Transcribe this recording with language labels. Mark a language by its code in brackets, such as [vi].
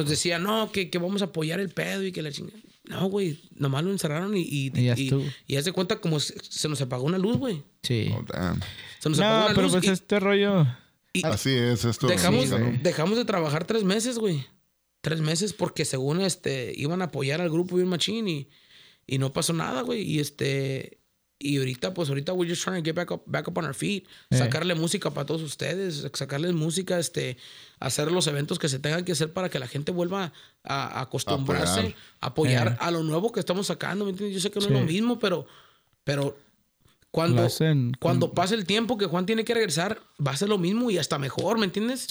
[es] Nos decía, no, que vamos a apoyar el pedo y que la chingada. No, güey, nomás lo encerraron y haz de cuenta como se nos apagó una luz, güey. Sí. [en] Oh, damn. [es] Se nos apagó una luz. No, pero pues este rollo. Y así es, esto. Dejamos de trabajar 3 meses, güey. 3 meses porque según iban a apoyar al grupo Bill Machine y no pasó nada, güey. Y ahorita [en] we're just trying to get back up on our feet. [es] Sacarle música para todos ustedes, sacarles música, hacer los eventos que se tengan que hacer para que la gente vuelva a acostumbrarse, apoyar a lo nuevo que estamos sacando, ¿me entiendes? Yo sé que no es lo mismo, pero cuando pase el tiempo que Juan tiene que regresar, va a ser lo mismo y hasta mejor, ¿me entiendes?